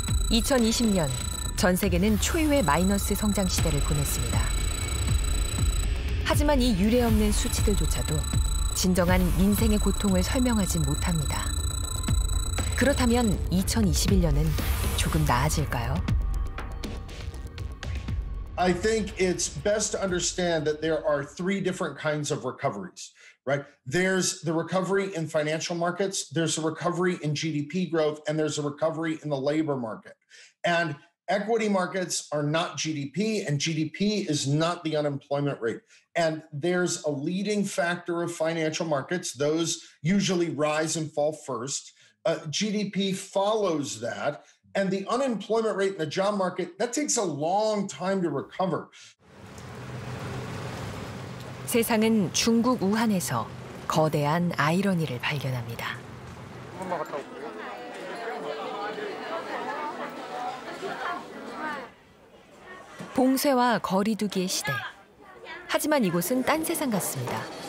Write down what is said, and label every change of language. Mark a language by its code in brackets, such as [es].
[ko] 2020년, 전 세계는 초유의 마이너스 성장 시대를 보냈습니다. 하지만 이 유례없는 수치들조차도 진정한 민생의 고통을 설명하지 못합니다. 그렇다면 2021년은 조금 나아질까요? [en] I think it's best to understand that there are three different kinds of recoveries. right? There's the recovery in financial markets, there's a recovery in GDP growth, and there's a recovery in the labor market. And equity markets are not GDP, and GDP is not the unemployment rate. And there's a leading factor of financial markets. Those usually rise and fall first. GDP follows that. And the unemployment rate in the job market, that takes a long time to recover. [ko] 세상은 중국 우한에서 거대한 아이러니를 발견합니다. 봉쇄와 거리두기의 시대. 하지만 이곳은 딴 세상 같습니다.